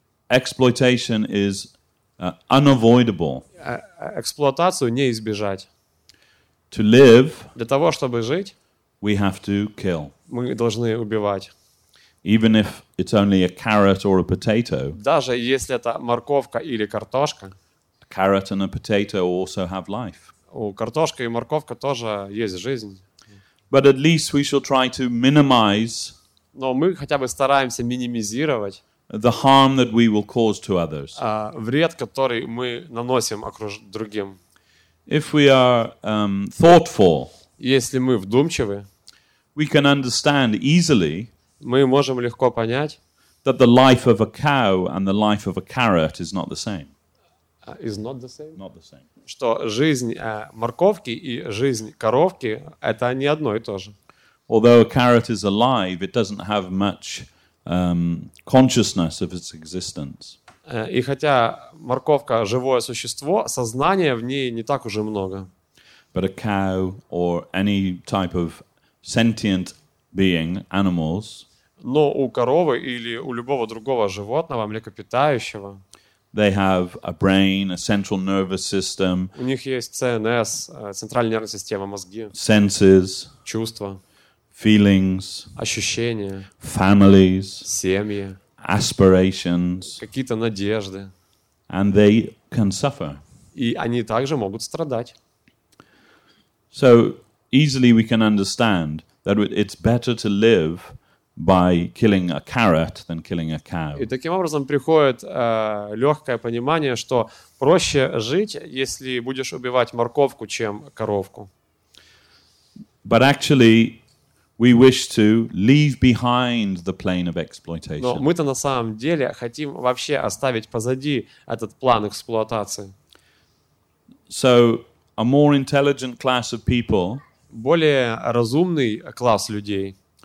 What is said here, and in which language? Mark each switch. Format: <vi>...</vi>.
<en>exploitation is unavoidable.</en> <ru>Эксплуатацию не избежать.</ru> <en>To live,</en> <ru>для того, чтобы жить,</ru> <en>we have to kill.</en> <ru>Мы должны убивать.</ru> <en>Even if it's only a carrot or a potato.</en> <ru>Даже если это морковка или картошка.</ru> <en>A carrot and a potato also have life.</en> <ru>У картошка и морковка тоже есть жизнь.</ru> <en>But at least we shall try to minimize.</en> <ru>Но мы хотя бы стараемся минимизировать.</ru> <en>The harm that we will cause to others.</en> <ru>Вред, который мы наносим другим.</ru> <en>If we are thoughtful.</en> <ru>Если мы вдумчивы,</ru> <en>we can understand easily,</en> <ru>мы можем легко понять,</ru> <en>that the life of a cow and the life of a carrot is not the same. Is not the same? Not the same.</en> <ru>Что жизнь морковки и жизнь коровки – это не одно и то же.</ru> <en>Although a carrot is alive, it doesn't have much consciousness of its existence.</en> <ru>И хотя морковка – живое существо, сознания в ней не так уже много.</ru> <en>But a cow or any type of sentient being, animals.</en> <ru>Но у коровы или у любого другого животного, млекопитающего.</ru> <en>They have a brain, a central nervous system.</en> <ru>У них есть ЦНС, центральная нервная система, мозги.</ru> <en>Senses.</en> <ru>Чувства.</ru> <en>Feelings.</en> <ru>Ощущения.</ru> <en>Families.</en> <ru>Семьи.</ru> <en>Aspirations.</en> <ru>Какие-то надежды.</ru> <en>And they can suffer.</en> <ru>И они также могут страдать.</ru> <en>So easily we can understand that it's better to live by killing a carrot than killing a cow.</en> <ru>И таким образом приходит легкое понимание, что проще жить, если будешь убивать морковку, чем коровку.</ru> <en>But actually, we wish to leave behind the plane of exploitation.</en> <ru>Но мы-то на самом деле хотим вообще оставить позади этот план эксплуатации.</ru> <en>So a more intelligent class of people,</en> <ru>более разумный класс людей,</ru>